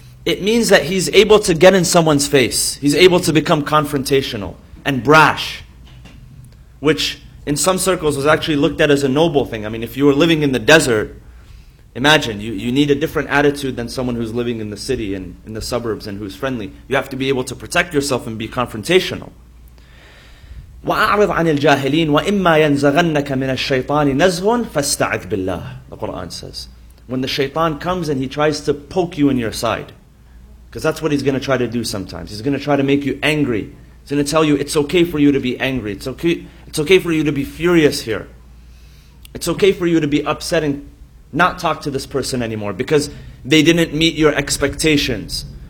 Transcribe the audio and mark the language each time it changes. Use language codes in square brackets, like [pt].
[en] It means that he's able to get in someone's face. He's able to become confrontational and brash. Which in some circles was actually looked at as a noble thing. I mean, if you were living in the desert, imagine, you need a different attitude than someone who's living in the city and in the suburbs and who's friendly. You have to be able to protect yourself and be confrontational. [ar] وَأَعْرِضْ عَنِ الْجَاهِلِينَ وَإِمَّا يَنْزَغَنَّكَ مِنَ الشَّيْطَانِ نَزْغٌ فَاسْتَعِذْ بِاللَّهِ [en] The Quran says. When the shaitan comes and he tries to poke you in your side, because that's what he's going to try to do sometimes. He's going to try to make you angry. He's going to tell you, it's okay for you to be angry. It's okay for you to be furious here. It's okay for you to be upset and not talk to this person anymore because they didn't meet your expectations.